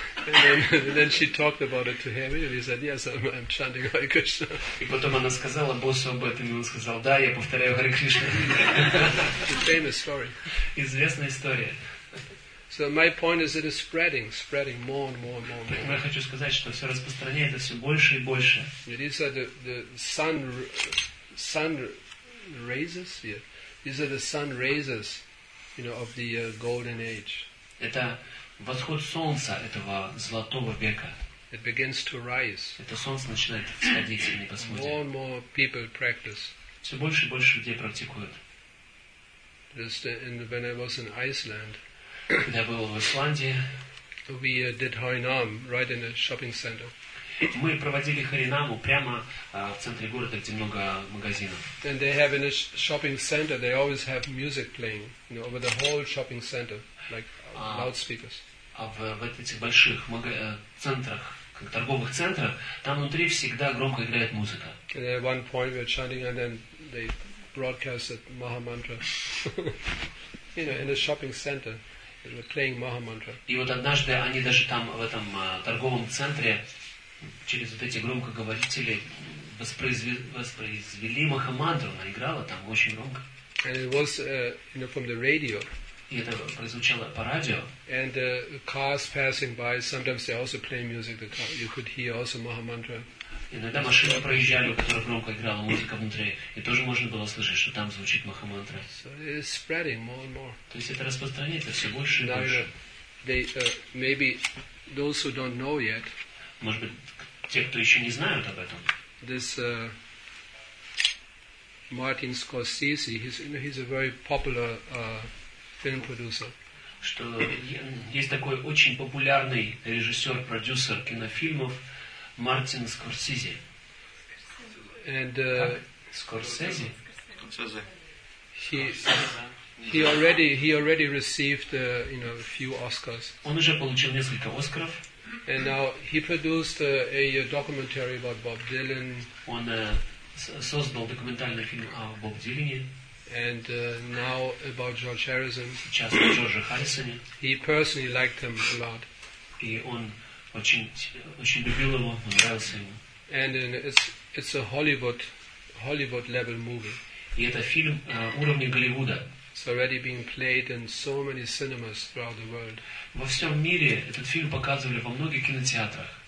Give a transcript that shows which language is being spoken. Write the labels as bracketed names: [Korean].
[English] And then she talked about it to him, and he said, "Yes, I'm chanting Hare Krishna." [Russian] И потом она сказала боссу об этом, и он сказал, "Да, я повторяю Hare Krishna." [English] Famous story. [Russian] Известная история. [English] So my point is, it is spreading more and more and more. [Russian] Я хочу сказать, что все распространяется все больше и больше. [English] These are the sun raises. Yeah. These are the sun raises, you know, of the golden age. [Russian] Это восход солнца этого золотого века. [English] It begins to rise. [Russian] Это солнце начинает всходить, если не посмотреть. [English] More and more people practice. [Russian] Все больше и больше людей практикуют. [English] Just when I was in Iceland. [Russian] Я был в Исландии. [English] We did Harinam right in a shopping center. [Russian] Мы проводили Харинаму прямо в центре города, где много магазинов. [English] And they have in a shopping center, they always have music playing, you know, over the whole shopping center, like loudspeakers. [Russian] А в этих больших центрах, как торговых центрах, там внутри всегда громко играет музыка. [English] And at one point we were chanting and then they broadcast that Maha Mantra. You know, in a shopping center, they were playing Maha Mantra. [Russian] И вот однажды они даже там, в этом торговом центре, через вот эти громкоговорители воспроизвели Маха Мантру, она играла там очень громко. [English] And it was, you know, from the radio. [Russian] И это прозвучало по радио. [English] And cars passing by, sometimes they also play music. The car, you could hear also Maha Mantra. [Russian] Иногда машины проезжали, у которых громко играла музыка внутри, и тоже можно было слышать, что там звучит Маха Мантра. [English] So it's spreading more and more. [Russian] То есть это распространяется все больше и больше. [English] They maybe those who don't know yet. [Russian] Может быть, те, кто еще не знают об этом. [English] This Martin Scorsese, he's, you know, he's a very popular film producer. [Russian] Что есть такой очень популярный режиссер-продюсер кинофильмов Мартин Скорсезе. [English] And [Russian] Скорсезе. [English] He already received you know, a few Oscars. [Russian] Он уже получил несколько Оскаров. [English] And now he produced a documentary about Bob Dylan. [Russian] Он создал документальный фильм о Боб Дилане. [English] And now about George Harrison. [Russian] Сейчас о Джордже Харрисоне. [English] He personally liked him a lot. [Russian] И он очень любил его, нравился ему. [English] And it's a Hollywood level movie. [Russian] И это фильм уровня Голливуда. [English] It's already being played in so many cinemas throughout the world. [Russian] Во всем мире этот фильм показывали во многих кинотеатрах.